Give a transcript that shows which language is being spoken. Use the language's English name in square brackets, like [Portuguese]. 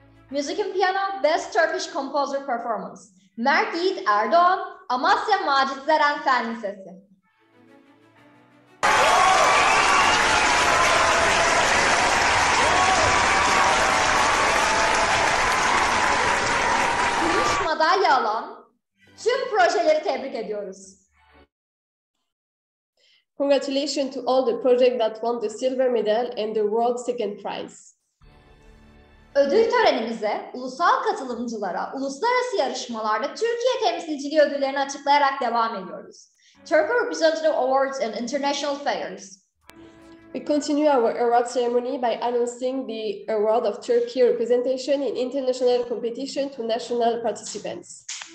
[English] Music and Piano Best Turkish Composer Performance, Mert Yiğit Erdoğan, Amasya Macit Zeren Fen Lisesi. [Turkish] Gümüş madalya alan tüm projeleri tebrik ediyoruz. [English] Congratulations to all the project that won the silver medal and the world second prize. [Turkish] Ödül törenimize ulusal katılımcılara uluslararası yarışmalarda Türkiye temsilciliği ödüllerini açıklayarak devam ediyoruz. [English] Turkey Representative Awards and International Fairs. We continue our award ceremony by announcing the award of Turkey representation in international competition to national participants.